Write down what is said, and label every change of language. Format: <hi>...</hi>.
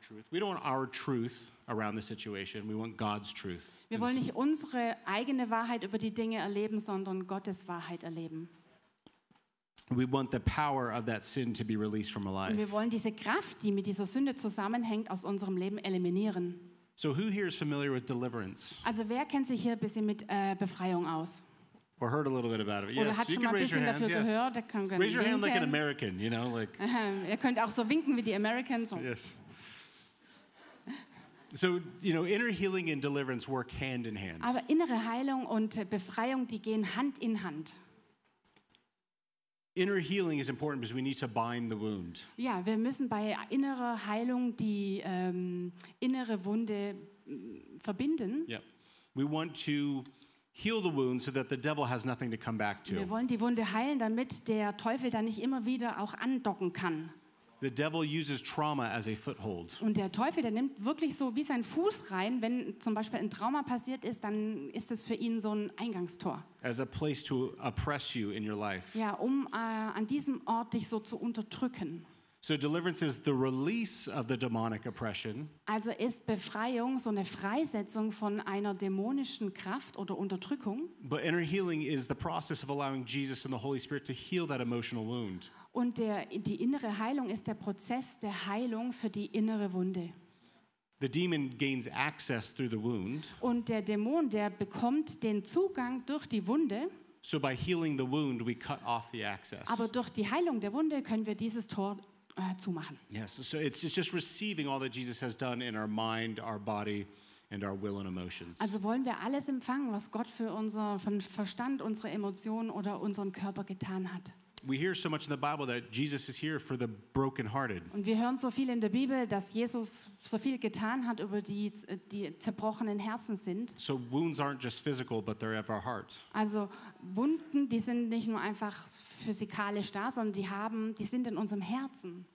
<en>We don't want our truth around the situation. We want God's truth.</en> <de>Wir wollen nicht unsere eigene Wahrheit über die Dinge erleben, sondern Gottes Wahrheit erleben.</de> <en>We want the power of that sin to be released from our life.</en> <de>Wir wollen diese Kraft, die mit dieser Sünde zusammenhängt, aus unserem Leben eliminieren.</de> <en>So who here is familiar with deliverance?</en> <de>Also wer kennt sich hier ein bisschen mit Befreiung aus?</de> <en>Or heard a little bit about it. Yes,</en> <de>hat schon</de> <en>you can</en> <de>mal</de> <en>raise your hands, yes.</en> <de>Gehört,</de> <en>raise your hand like an American, you know, like.</en> <de>Ihr könnt auch so winken wie die Americans.</de> <en>Yes. So, you know, inner healing and deliverance work hand in hand.</en> <de>Aber innere Heilung und Befreiung, die gehen Hand in Hand.</de> <en>Inner healing is important because we need to bind the wound.</en> <de>Ja, wir müssen bei innerer Heilung die innere Wunde verbinden.</de> <en>Yeah. We want to heal the wound so that the devil has nothing to come back to.</en> <de>Wir wollen die Wunde heilen, damit der Teufel da nicht immer wieder auch andocken kann.</de> <en>The devil uses trauma as a foothold.</en> <de>Und der Teufel, der nimmt wirklich so wie sein Fuß rein, wenn zum Beispiel ein Trauma passiert ist, dann ist es für ihn so ein Eingangstor.</de> <en>As a place to oppress you in your life.</en> <de>Ja, um an diesem Ort dich so zu unterdrücken.</de> <en>So deliverance is the release of the demonic oppression.</en> <de>Also ist Befreiung so eine Freisetzung von einer dämonischen Kraft oder Unterdrückung.</de> <en>But inner healing is the process of allowing Jesus and the Holy Spirit to heal that emotional wound.</en> <de>Und die innere Heilung ist der Prozess der Heilung für die innere Wunde.</de> <en>The demon gains access through the wound.</en> <de>Und der Dämon, der bekommt den Zugang durch die Wunde.</de> <en>So by healing the wound, we cut off the access.</en> <de>Aber durch die Heilung der Wunde können wir dieses Tor zumachen.</de> <en>Yes, so it's just receiving all that Jesus has done in our mind, our body, and our will and emotions.</en> <de>Also wollen wir alles empfangen, was Gott für unseren Verstand, unsere Emotionen oder unseren Körper getan hat.</de> <en>We hear so much in the Bible that Jesus is here for the brokenhearted.</en> <de>Und wir hören so viel in der Bibel, dass Jesus so viel getan hat über die zerbrochenen Herzen sind.</de> <en>So wounds aren't just physical, but they're of our heart.</en> <de>Also Wunden, die sind nicht nur einfach physikalisch da, sondern die sind in unserem Herzen.</de>